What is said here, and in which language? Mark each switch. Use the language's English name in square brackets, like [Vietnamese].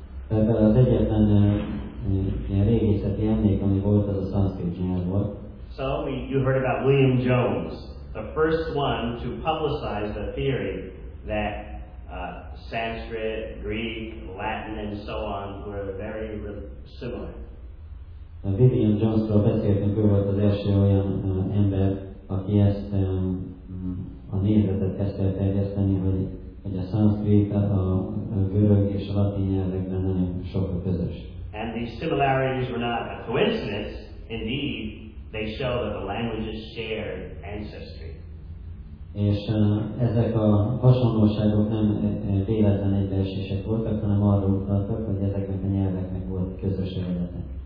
[Hungarian] Tehát az egyetlen régészeti emlék, ami volt, az a szanszkrit nyelv volt. [English] So, you heard about William Jones, the first one to publicize the theory that Sanskrit, Greek, Latin, and so on were very similar. [Hungarian] A William Jones-ról beszéltünk, ő volt az első olyan ember, aki ezt a nézetet kezdte terjeszteni, hogy a szanszkrit, a görög és a latin nyelvekben nagyon sok a közös. [English] And these similarities were not a coincidence. Indeed, they show that the languages shared ancestry. [Hungarian] És ezek a hasonlóságok nem véletlen egybeesések voltak, hanem arra utaltak, hogy ezeknek a nyelveknek volt közös eredete.